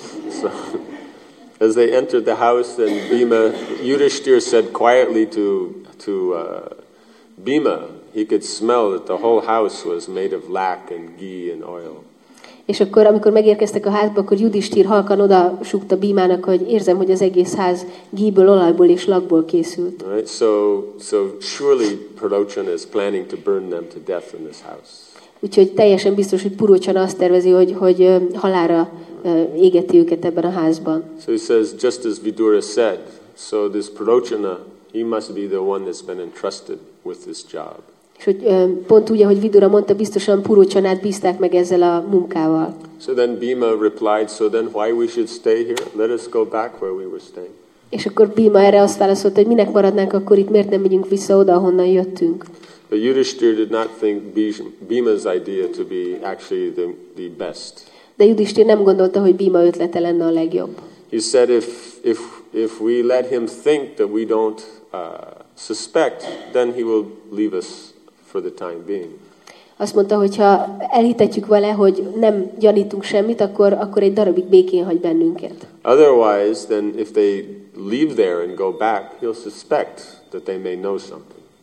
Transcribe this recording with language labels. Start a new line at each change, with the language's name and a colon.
English: So, as they entered the house, then Yudhishthir said quietly to Bhima, he could smell that the whole house was made of lac and ghee and oil.
Hungarian: És akkor, amikor megérkeztek a házba, akkor Yudhishthir halkan oda súgta Bhimának, hogy érzem, hogy az egész ház ghee-ből, olajból és lakból készült.
English: Right, so surely Purochana is planning to burn them to death in this house.
Hungarian: Úgyhogy teljesen biztos, hogy Purochana azt tervezi, hogy halálra égeti őket ebben a házban.
English: So he says, just as Vidura said, so this Purochana, he must be the one that's been entrusted with this job.
Hungarian: És hogy pont úgy, ahogy Vidura mondta, biztosan Purocsanát bízták meg ezzel a munkával.
English: So then Bhima replied, so then why we should stay here? Let us go back where we were staying.
Hungarian: És akkor Bhima erre azt válaszolt, hogy minek maradnánk akkor itt, miért nem megyünk vissza oda, ahonnan jöttünk.
English: But Yudhishthira did not think Bhima's idea to be actually the best.
Hungarian: De Yudhishthir nem gondolta, hogy Bhima ötlete lenne a legjobb.
English: He said if we let him think that we don't suspect, then he will leave us for the time being.
Hungarian: Azt mondta, hogyha elhitetjük vele, hogy nem gyanítunk semmit, akkor egy darabig békén hagy bennünket.
English: Otherwise, then if they leave there and go back, he'll suspect that they may know something.